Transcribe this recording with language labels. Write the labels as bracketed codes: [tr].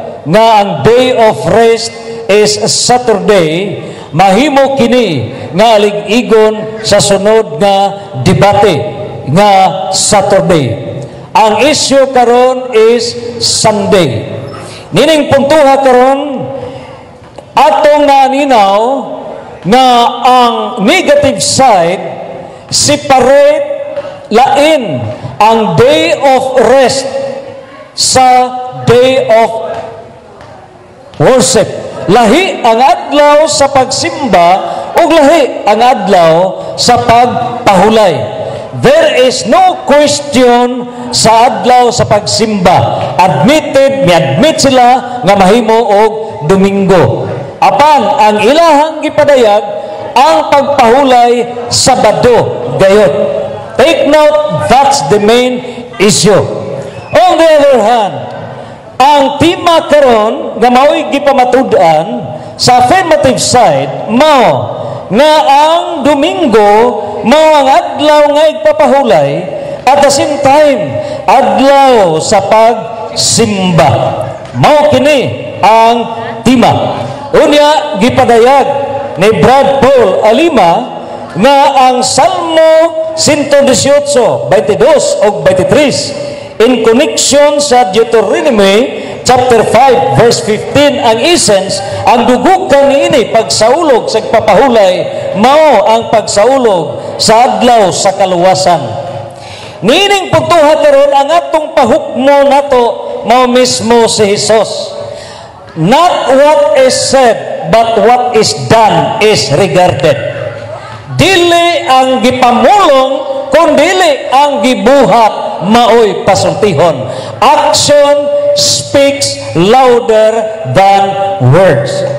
[ceb] nga ang [en] day of rest is Saturday, [ceb] mahimo kini nga aligigon sa sunod nga debate nga Saturday. Ang issue karon is Sunday. Nining puntuha karon atong naninaw na ang negative side separate lain ang day of rest sa day of worship. Lahi ang adlaw sa pagsimba ug lahi ang adlaw sa pagpahulay. [en] There is no question [ceb] sa adlaw sa pagsimba. Admitted, may admit sila nga mahimo og Domingo. Apan ang ilahang gipadayag ang pagpahulay Sabado gayod. [en] Take note, that's the main issue. [ceb] On the other hand, ang tema karon nga mao'y gipamatud-an sa affirmative side mao nga ang Domingo mao ang adlaw nga igpapahulay [en] at the same time [ceb] adlaw sa pagsimba. Mao kini ang tema. Unya gipadayag ni Brad Paul Alima nga ang Salmo 118:22-23 in connection sa Deuteronomy chapter 5 verse 15 ang essence, ang dugo kaniini pagsaulog sa pagpapahulay mao ang pagsaulog sa adlaw sa kaluwasan. Niining puntuha karon ang atong pahukmo nato mao mismo si Jesus. [en] Not what is said but what is done is regarded. [ceb] Dili ang gipamulong kun dili ang gibuhat maoy pasultihon. [en] Action speaks louder than words.